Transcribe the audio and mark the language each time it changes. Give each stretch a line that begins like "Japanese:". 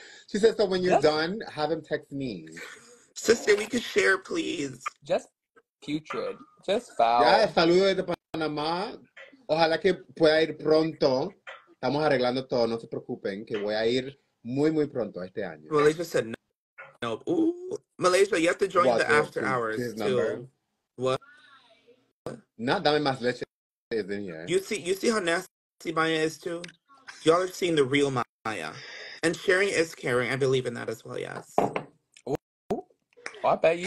English: She said, so when you're done, have him text me. Sister, we could share, please. Just putrid. Just foul.
Spanish: Ya, saludos de Panamá. Ojalá que pueda ir pronto. Estamos arreglando todo. No se preocupen que voy a ir muy, muy pronto este año.
English: Malaysia said no. No. Ooh. Malaysia, you have to join the after hours, too. Not
Spanish: dame más leche
English: is in here. You see how nasty Maya is, too? Y'all are seeing the real Maya. And sharing is caring. I believe in that as well, yes. Oh, I bet you